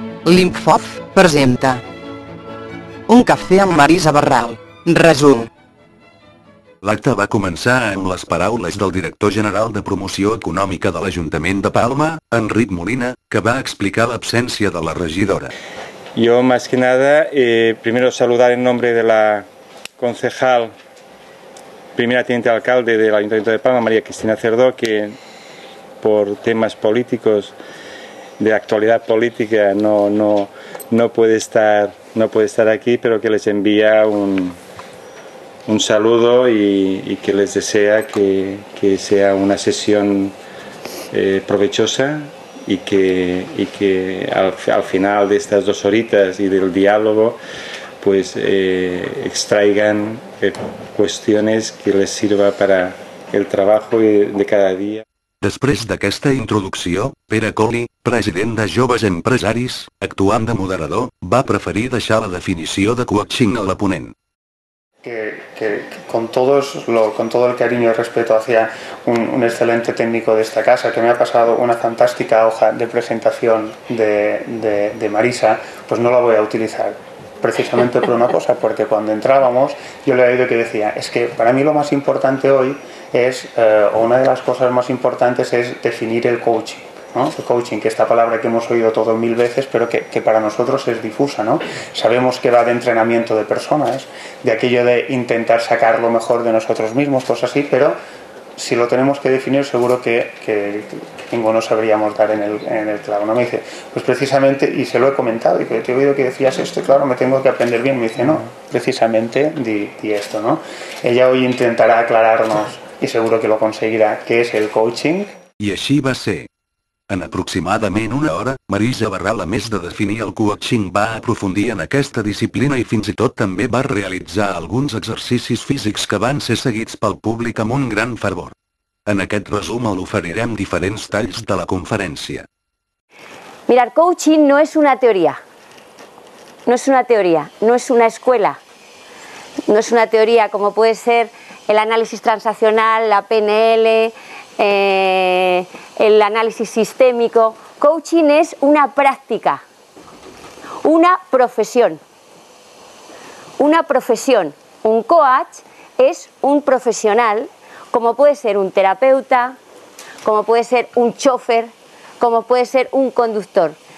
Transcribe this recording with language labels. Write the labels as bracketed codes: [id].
[ca] Limfop presenta Un cafè amb Marisa Barral. Resum. L'acte va començar amb les paraules del director general de promoció econòmica de l'Ajuntament de Palma, Enric Molina, que va explicar l'absència de la regidora. [es] Yo, más que nada, primero saludar en nombre de la concejal, primera teniente alcalde del Ayuntamiento de Palma, María Cristina Cerdó, que por temas políticos de actualidad política no puede estar aquí, pero que les envía un saludo y que les desea que sea una sesión provechosa y que al final de estas dos horitas y del diálogo pues extraigan cuestiones que les sirva para el trabajo de cada día. Després d'aquesta introducció, Pere Coli, president de Joves Empresaris, actuant de moderador, va preferir deixar la definició de coaching a la ponent. Que con todo el cariño y respeto hacia un excelente técnico de esta casa, que me ha pasado una fantástica hoja de presentación de Marisa, pues no la voy a utilizar. Precisamente por una cosa, porque cuando entrábamos yo le he oído que decía, es que para mí lo más importante hoy es, o una de las cosas más importantes es definir el coaching, ¿no? El coaching, que esta palabra que hemos oído todo mil veces, pero que para nosotros es difusa, ¿no? Sabemos que va de entrenamiento de personas, de aquello de intentar sacar lo mejor de nosotros mismos, cosas así, pero si lo tenemos que definir, seguro que ninguno sabríamos dar en el clavo, ¿no? Me dice, pues precisamente, y se lo he comentado, y que te he oído que decías esto, claro, me tengo que aprender bien. Me dice, no, precisamente di esto, ¿no? Ella hoy intentará aclararnos, y seguro que lo conseguirá, qué es el coaching. Y así va a ser. [ca] En aproximadament una hora, Marisa Barral, a més de definir el coaching, va aprofundir en aquesta disciplina i fins i tot també va realitzar alguns exercicis físics que van ser seguits pel públic amb un gran fervor. En aquest resum l'oferirem diferents talls de la conferència. Mira, el coaching no és una teoria. No és una teoria, [es] no és una escuela. [ca] No és una teoria com pot ser el anàlisi transaccional, la PNL, el análisis sistémico. [es] Coaching es una práctica, una profesión. Un coach es un profesional, como puede ser un terapeuta, como puede ser un chofer, como puede ser un conductor.